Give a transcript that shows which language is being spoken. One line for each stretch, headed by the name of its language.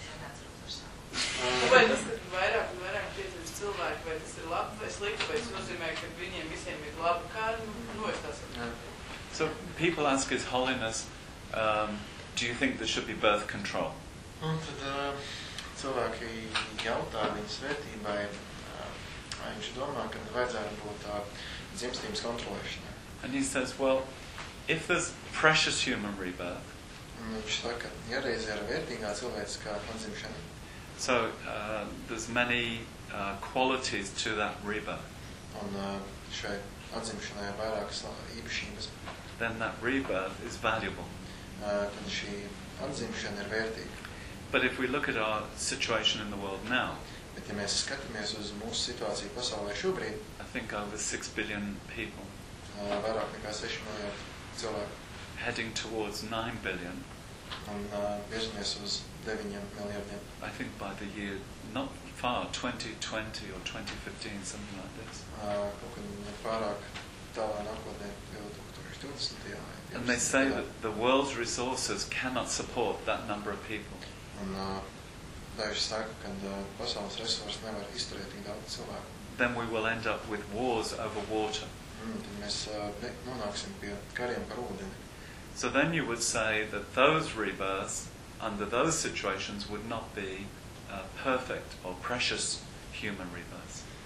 Latvian: Vai tas ir vairāk piedzīvis cilvēki, vai tas ir labi vai slikti, vai tas nozīmē, ka viņiem visiem ir labi kādi, nu es tās esmu.
English: So, people ask His Holiness, do you think there should be birth control?
Latvian: Un tad cilvēki jautā viņa svētībai, viņš domā, ka vajadzētu būt dzimstības kontrolēšanai.
English: And he says, well, if there's precious human rebirth,
Latvian: viņš saka, ja reiz ir vērtīgā cilvēciskā atdzimšana,
English: so there's many qualities to that rebirth.
Latvian: Un šai atdzimšanai ir vairākas īpašības.
English: Then that rebirth is valuable.
Latvian: Tad šī atdzimšana ir vērtīga.
English: But if we look at our situation in the world now,
Latvian: bet ja mēs skatāmies uz mūsu situāciju pasaulē šobrīd,
English: I think over 6 billion people.
Latvian: Vairāk nekā 6 miljardu cilvēku.
English: Heading towards 9 billion.
Latvian: Un virzamies uz 9 miljardiem.
English: I think by the year, not far, 2020 or 2015, something like this.
Latvian: Kaut kad nepārāk tālā nākotnē, 2020.
English: And they say that the world's resources cannot support that number of people.
Latvian: Un daži saka, ka pasaules resursi nevar izturēt tik daudz cilvēku.
English: Then we will end up with wars over water.
Latvian: Tad mēs nonāksim pie kariem par ūdeni.
English: So then you would say that those rebirths under those situations would not be perfect or precious human rebirths.